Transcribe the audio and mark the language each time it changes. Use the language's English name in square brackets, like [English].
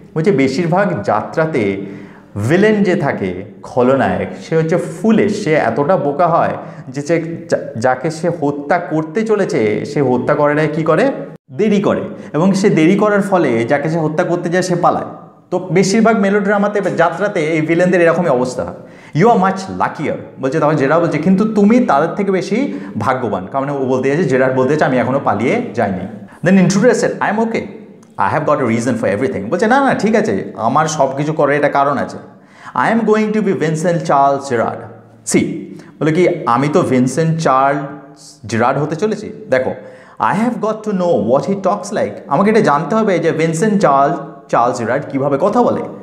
[Bangla] বলছে বেশিরভাগ যাত্রাতে ভিলেন যে থাকে খলনায়ক, সে হচ্ছে ফুলিশ, সে এতটা বোকা হয় যে যাকে সে হত্যা করতে চলেছে সে হত্যা করে না, কী করে, দেরি করে, এবং সে দেরি করার ফলে যাকে সে হত্যা করতে যায় সে পালায়। তো বেশিরভাগ মেলোড্রামাতে যাত্রাতে এই ভিলেনদের এরকমই অবস্থা হয়। [English] you are much luckier [Bangla] বলছে, তারপর জেরার বলছে কিন্তু তুমি তাদের থেকে বেশি ভাগ্যবান, কারণ ও বলতে যাচ্ছে, জেরার বলতে যাচ্ছে আমি এখনও পালিয়ে যাইনি। [English] Then introducer, I am okay, I have got a reason for everything. [Bangla] বলছে না না ঠিক আছে, আমার সব কিছু করার একটা কারণ আছে। [English] I am going to be Vincent Charles Gerard. [Bangla] C, বলে কি আমি তো ভিনসেন্ট চার্লস জেরার্ড হতে চলেছি। দেখো, [English] I have got to know what he talks like, [Bangla] আমাকে এটা জানতে হবে যে ভিনসেন্ট চার্লস জেরার্ড কীভাবে কথা বলে।